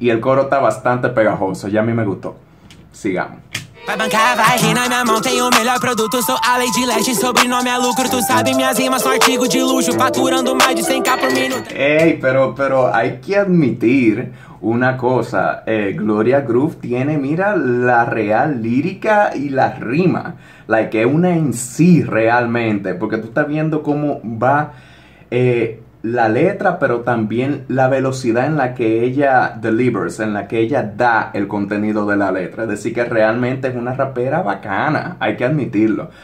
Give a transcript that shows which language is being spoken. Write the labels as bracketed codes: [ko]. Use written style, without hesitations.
[es] Y el coro está bastante pegajoso, ya a mí me gustó. Sigamos. [pt] Vai bancar, vai rir na minha mão, tenho o melhor produto. Sou a Lady Leste, sobrenome é lucro. Tu sabe, minhas rimas são artigo de luxo, faturando mais de 100k por minuto. [es] Ei, pero hay que admitir una cosa, Gloria Groove tiene, mira, la real lírica y la rima. Like, es una en sí realmente, porque tú estás viendo cómo va la letra, pero también la velocidad en la que ella delivers, en la que ella da el contenido de la letra. Es decir, que realmente es una rapera bacana, hay que admitirlo.